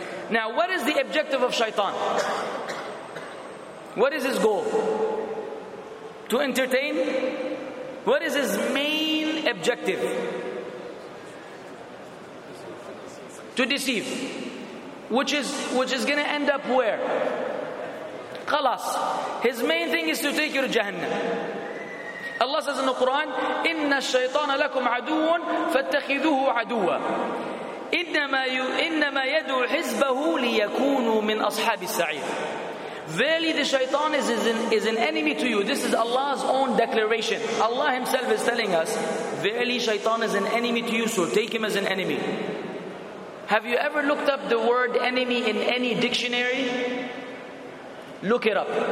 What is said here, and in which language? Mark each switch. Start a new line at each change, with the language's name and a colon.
English: Now, what is the objective of shaitan? What is his goal? To entertain? What is his main objective? To deceive. Which is going to end up where? Khalas. His main thing is to take you to Jahannam.
Arabic: Allah says in the Quran, إِنَّ الشَّيْطَانَ لَكُمْ عَدُوٌ فَاتَّخِذُوهُ عَدُوًا إِنَّمَا يَدُوا حِزْبَهُ لِيَكُونُوا مِنْ أَصْحَابِ السَّعِيرِ.
English: Verily the shaitan is an enemy to you. This is Allah's own declaration. Allah himself is telling us, verily shaitan is an enemy to you, so take him as an enemy. Have you ever looked up the word enemy in any dictionary? Look it up.